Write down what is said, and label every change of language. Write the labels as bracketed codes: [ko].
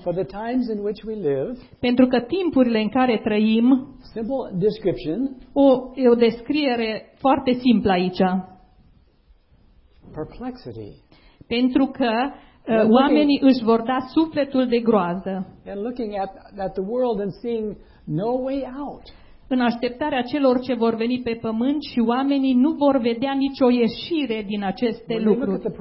[en] For the times in which we live, [ro] pentru că timpurile în care trăim, [en] simple description, [ro] o descriere foarte simplă aici. [en] Perplexity. [ro] Pentru că oamenii își vor da sufletul de groază. [en] And looking at the world and seeing no way out. [ro] În așteptarea celor ce vor veni pe pământ și oamenii nu vor vedea nicio ieșire din aceste lucruri.